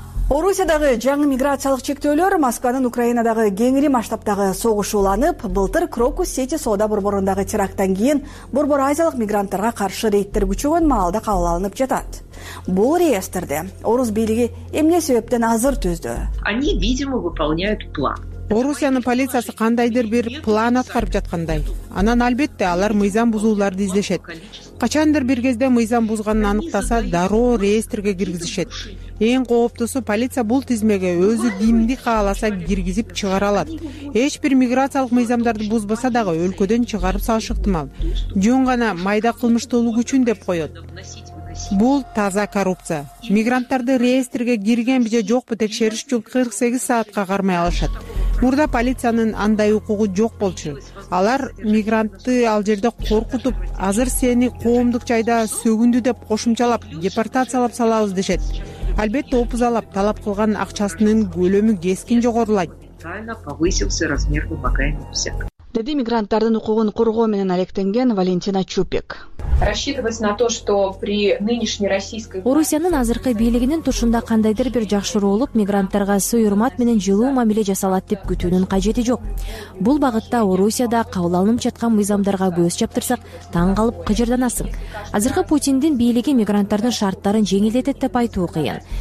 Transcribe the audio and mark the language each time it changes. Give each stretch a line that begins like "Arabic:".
Kyrgyz: Орусиядагы жаңы миграциялык чектөөлөр Москванын Украинадагы кеңири масштабтагы согушу уланып, былтыр Крокус Сити соода борборундагы терактан кийин борбор азиялык мигранттарга каршы рейдтер күчөгөн маалда кабыл алынып жатат. Бул реестрди орус бийлиги эмне себептен азыр түздү?
Russian: Они, видимо, выполняют план.
Kyrgyz: Орусиянын полициясы кандайдыр бир план аткарып жаткандай. Анан албетте алар мыйзам бузууларды издешет. Качандыр бир кезде мыйзам бузганын аныктаса, дароо реестрге киргизишет. Эң кооптуусу полиция бул тизмеге өзү кимди кааласа киргизип чыгара алат. Эч бир миграциялык мыйзамдарды бузбаса дагы өлкөдөн чыгарып салыш ыктымал. Жөн гана майда кылмыштуулук үчүн деп коет. Бул таза коррупция. Мигранттарды реестрге киргенби же жокпу текшериш үчүн 48 саатка кармай алышат. Мурда полициянын андай укугу жок болчу. Алар мигрантты ал жерде коркутуп, азыр сени коомдук жайда сөгүндү деп кошумчалап, депортациялап салабыз дешет. Албетте, опузалап талап кылган акчасынын көлөмү кескин жогорулайт. Деди мигранттардын укугун коргоо менен алектенген Валентина Чупек.
Russian: Рассчитывать на то, что при нынешней российской
Kyrgyz: Орусиянын азыркы бийлигинин тушунда кандайдыр бир жакшыруулук мигранттарга сый-урмат менен жылуу мамиле жасалат деп күтүүнүн кажети жок. Бул багытта Орусияда кабыл алынып жаткан мыйзамдарга көз чаптырсак, таң калып кыжырданасың. Азыркы Путиндин бийлиги мигранттардын шарттарын жеңилдетет деп айтуу кыйын.